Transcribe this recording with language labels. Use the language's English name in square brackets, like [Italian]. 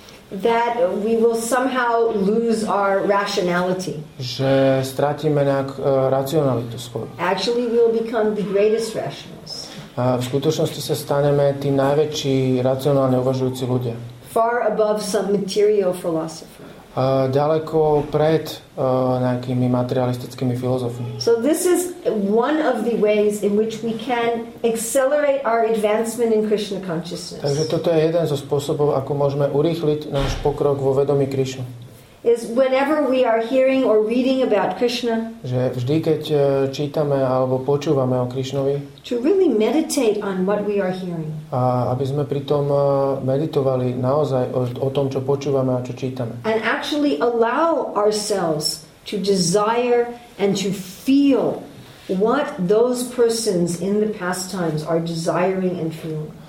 [English] That we will somehow lose our rationality. [Slovak] Že stratíme nejak racionalitu svoju. [English] Actually we will become the greatest rationals. [Slovak] A v skutočnosti sa staneme tí najväčší racionálne uvažujúci ľudia. [English] Far above some material philosopher. [Slovak] Ďaleko pred nejakými materialistickými filozofmi. [English] So this is one of the ways in which we can accelerate our advancement in Krishna consciousness. [Slovak] Takže toto je jeden zo spôsobov, ako môžeme urýchliť náš pokrok vo vedomí Krishna. [English] Is whenever we are hearing or reading about Krishna. [Slovak] Že vždy keď čítame alebo počúvame o Krishnovi. [English] To really meditate on what we are hearing. [Slovak] A aby sme pritom meditovali naozaj o tom, čo počúvame a čo čítame. [English] And actually allow ourselves to desire and to feel what those persons in the past times are desiring and feeling.